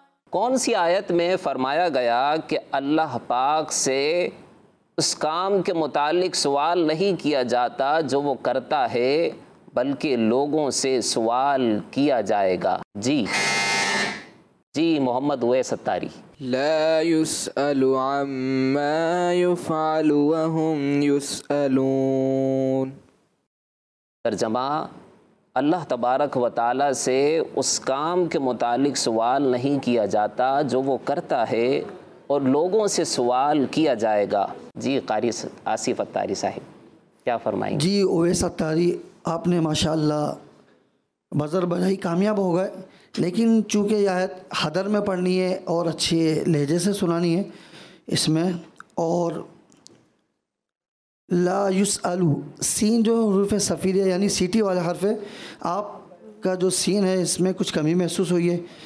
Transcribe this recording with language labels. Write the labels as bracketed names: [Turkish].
[Urdu] کون سی آیت میں فرمایا گیا کہ اللہ پاک سے اس کام کے متعلق سوال نہیں کیا جاتا جو وہ کرتا ہے, بلکہ لوگوں سے سوال کیا جائے گا؟ جی جی محمد اویس ستاری. [Arabic] لا يسأل عما يفعل وهم يسألون. [Urdu] ترجمہ, اللہ تبارک و تعالیٰ سے اس کام کے متعلق سوال نہیں کیا جاتا جو وہ کرتا ہے اور لوگوں سے سوال کیا جائے گا. جی قاری آصف عطاری صاحب کیا فرمائیں؟ جی اویس عطاری آپ نے ماشاء اللہ بزر بجائی کامیاب ہو گئے, لیکن چونکہ یہ آیت حدر میں پڑھنی ہے اور اچھے لہجے سے سنانی ہے اس میں, اور لا یسألو سین جو حروف صفیر یعنی سیٹی والا حرف ہے, آپ کا جو سین ہے اس میں کچھ کمی محسوس ہوئی ہے.